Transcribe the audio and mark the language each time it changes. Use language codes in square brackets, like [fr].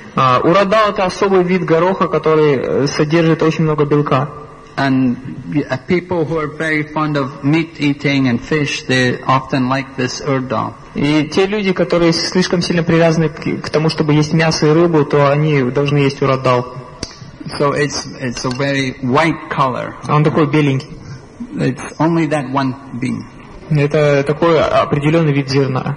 [ru] Урдал это особый вид гороха, который содержит очень много белка. [en] And people who are very fond of meat eating and fish, they often like this Urdal. [ru] И те люди, которые слишком сильно привязаны к тому, чтобы есть мясо и рыбу, то они должны есть урадал. [en] So it's a very white color. [ru] Он такой беленький. [en] It's only that one bean. [ru] Это такой определенный вид зерна.